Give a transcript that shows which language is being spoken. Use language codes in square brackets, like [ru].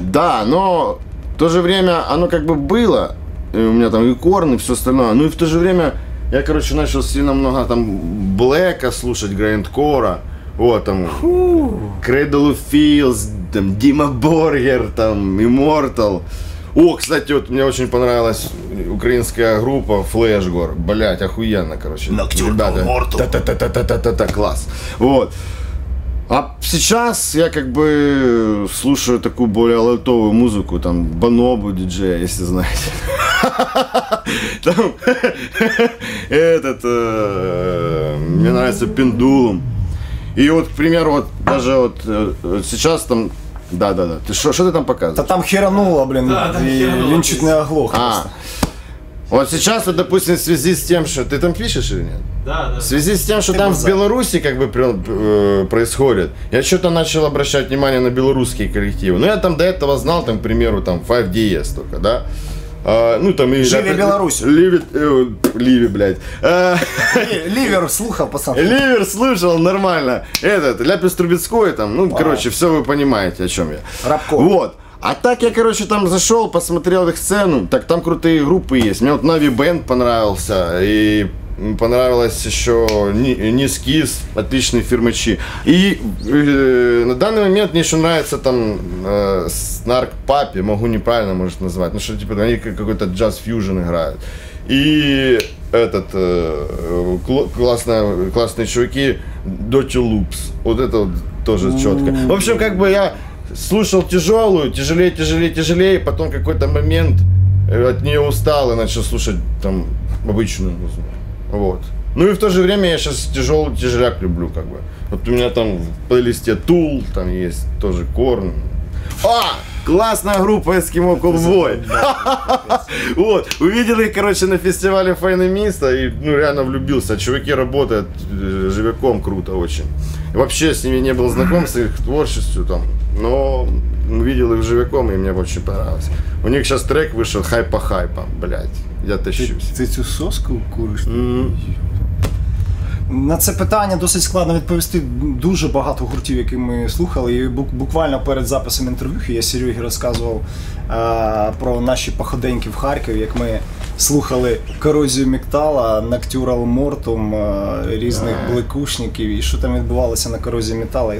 [ru] Да, но в то же время оно как бы было, и у меня там и Корн, и все остальное. Ну и в то же время я, короче, начал сильно много там Блэка слушать, Грайндкора, вот там, Cradle of Filth, там, Дима Боргер, там, Immortal. О, кстати, вот мне очень понравилась украинская группа Flashgore. Блять, охуенно, короче. Nocturnal Mortal. Та-та-та-та-та-та-та-та, класс. Вот. А сейчас я как бы слушаю такую более лайтовую музыку, там, Bonobo DJ, если знаете. Там, этот, мне нравится Pendulum. И вот, к примеру, вот, даже вот сейчас там... Да-да-да. Ты что ты там показываешь? Да там херануло, блин. Да, там херануло. И он чуть не оглох. А. Вот сейчас, вот, допустим, в связи с тем, что... Ты там пишешь или нет? Да-да. В связи с тем, что ты там в Беларуси как бы происходит, я что-то начал обращать внимание на белорусские коллективы. Ну, я там до этого знал, там, к примеру, там, 5DS только, да? А, ну, там... Живи, да, Беларусь! Ливи... Ливи, блядь. Ливер слухал, пацан. Ливер слушал, нормально. Этот, Ляпис Трубецкой, там, ну, короче, все вы понимаете, о чем я. Рабко. Вот. А так я, короче, там зашел, посмотрел их сцену. Так, там крутые группы есть. Мне вот Na'Vi Band понравился. И понравилось еще Низкиз, отличные фирмачи. И на данный момент мне еще нравится там Snark Puppy, могу неправильно, может, назвать. Ну, что, типа, они какой-то джаз-фьюжн играют. И этот, классные чуваки, Dirty Loops, вот это вот тоже четко. В общем, как бы я слушал тяжелую, тяжелее, потом какой-то момент от нее устал и начал слушать там обычную музыку, вот. Ну и в то же время я сейчас тяжелый тяжеляк люблю, как бы. Вот у меня там в плейлисте Tool, там есть тоже Korn. А! Классная группа Eskimo Callboy. Вот, увидел их, короче, на фестивале Файна Миста и, ну, реально влюбился. Чуваки работают живяком круто очень. Вообще с ними не был знаком, с их творчеством там, но увидел их живяком и мне очень понравилось. У них сейчас трек вышел Хайпа-хайпа, блядь, я тащусь. Ты эту соску куришь? [uk] На це питання досить складно відповісти. Дуже багато гуртів, які ми слухали. І буквально перед записом інтерв'ю я Серегі розказував про наші походеньки в Харків, як ми слухали Корозію Метала, Nocturnal Mortum, різних блекушників, і що там відбувалося на Корозії Метала.